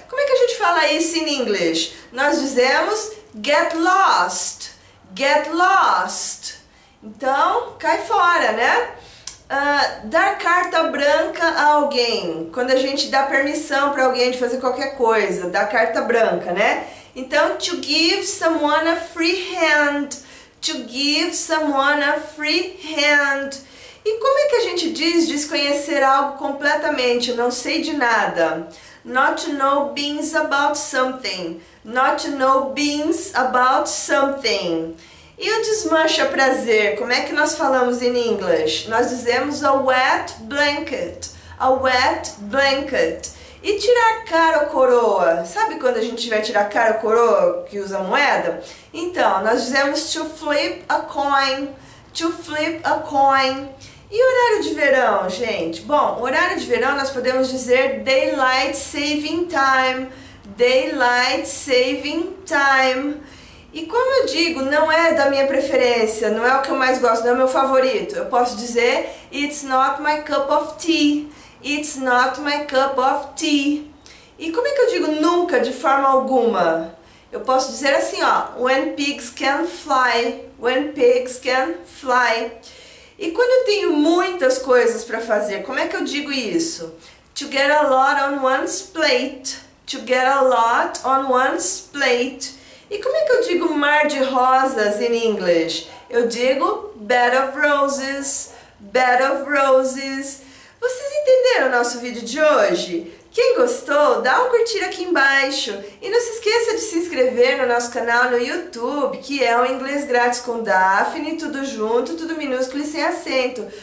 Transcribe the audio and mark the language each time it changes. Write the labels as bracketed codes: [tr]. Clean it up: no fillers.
[pt] Como é que a gente fala isso em inglês? Nós dizemos [en] get lost. Get lost. [pt] Então, cai fora, né? Dar carta branca a alguém. Quando a gente dá permissão para alguém de fazer qualquer coisa, dá carta branca, né? [en] Então, to give someone a free hand. To give someone a free hand. [pt] E como é que a gente diz desconhecer algo completamente? Não sei de nada. [en] Not to know beans about something. Not to know beans about something. [pt] E o desmancha prazer, como é que nós falamos em inglês? Nós dizemos [en] a wet blanket. A wet blanket. [pt] E tirar cara ou coroa? Sabe quando a gente vai tirar cara ou coroa, que usa moeda? Então, nós dizemos [en] to flip a coin. To flip a coin. [pt] E horário de verão, gente? Bom, horário de verão nós podemos dizer [en] daylight saving time. Daylight saving time. [pt] E como eu digo, não é da minha preferência, não é o que eu mais gosto, não é o meu favorito. Eu posso dizer, [en] it's not my cup of tea. It's not my cup of tea. [pt] E como é que eu digo nunca, de forma alguma? Eu posso dizer assim, ó, [en] when pigs can fly. When pigs can fly. [pt] E quando eu tenho muitas coisas para fazer, como é que eu digo isso? [en] To get a lot on one's plate. To get a lot on one's plate. [pt] E como é que eu digo mar de rosas [en] in English? [pt] Eu digo [en] bed of roses, bed of roses. [pt] Vocês entenderam o nosso vídeo de hoje? Quem gostou, dá um curtir aqui embaixo. E não se esqueça de se inscrever no nosso canal no YouTube, que é o Inglês Grátis com Daphne, tudo junto, tudo minúsculo e sem acento.